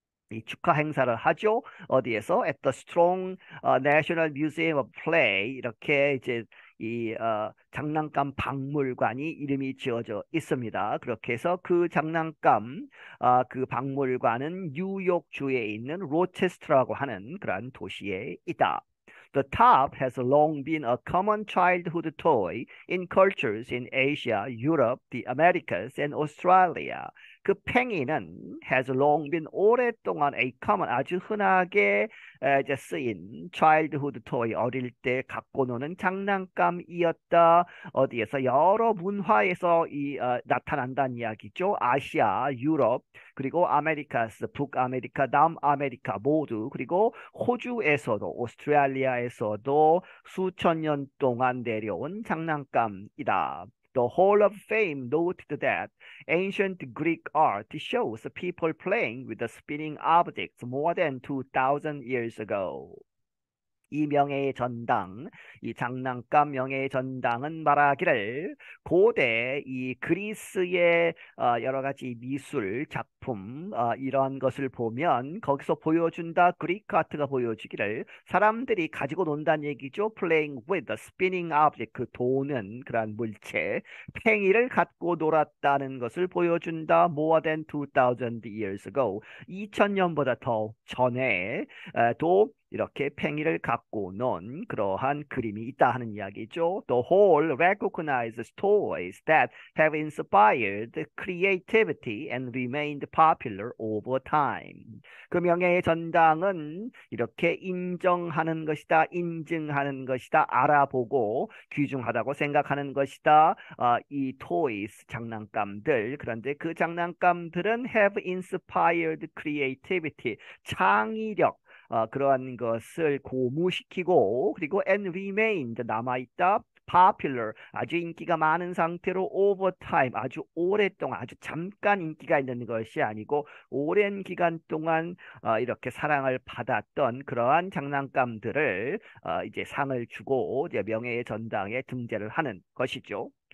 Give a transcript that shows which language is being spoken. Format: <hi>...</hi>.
<ko>이 축하 행사를 하죠. 어디에서?</ko> <en>At the Strong National Museum of Play.</en> <ko>이렇게 이제 이 장난감 박물관이 이름이 지어져 있습니다. 그렇게 해서 그 장난감 그 박물관은 뉴욕주에 있는 로체스터라고 하는 그런 도시에 있다.</ko> <en>The top has long been a common childhood toy in cultures in Asia, Europe, the Americas, and Australia.</en> <ko>그 팽이는</ko> <en>has long been</en> <ko>오랫동안</ko> <en>a common</en> <ko>아주 흔하게 이제 쓰인</ko> <en>childhood toy</en> <ko>어릴 때 갖고 노는 장난감이었다. 어디에서 여러 문화에서 나타난다는 이야기죠. 아시아, 유럽, 그리고 아메리카스, 북아메리카, 남아메리카 모두 그리고 호주에서도 오스트레일리아에서도 수천 년 동안 내려온 장난감이다.</ko> <en>The Hall of Fame noted that ancient Greek art shows people playing with the spinning objects more than 2,000 years ago.</en> <ko>이 명예의 전당, 이 장난감 명예의 전당은 말하기를 고대 이 그리스의 여러 가지 미술 작품 이런 것을 보면 거기서 보여준다, 그리크 아트가 보여주기를 사람들이 가지고 논다는 얘기죠.</ko> <en>Playing with the spinning object,</en> <ko>그 도는 그런 물체, 팽이를 갖고 놀았다는 것을 보여준다.</ko> <en>More than 2,000 years ago,</en> <ko>2000년보다 더 전에 도 이렇게 팽이를 갖고 논 그러한 그림이 있다 하는 이야기죠.</ko> <en>The hall recognizes toys that have inspired creativity and remained popular over time.</en> <ko>그 명예의 전당은 이렇게 인정하는 것이다, 인증하는 것이다, 알아보고 귀중하다고 생각하는 것이다. 이 toys 장난감들, 그런데 그 장난감들은</ko> <en>have inspired creativity</en> <ko>창의력 그러한 것을 고무시키고 그리고</ko> <en>and remained</en> <ko>남아있다,</ko> <en>popular</en> <ko>아주 인기가 많은 상태로</ko> <en>over time</en> <ko>아주 오랫동안 아주 잠깐 인기가 있는 것이 아니고 오랜 기간 동안 이렇게 사랑을 받았던 그러한 장난감들을 이제 상을 주고 이제 명예의 전당에 등재를 하는 것이죠.</ko>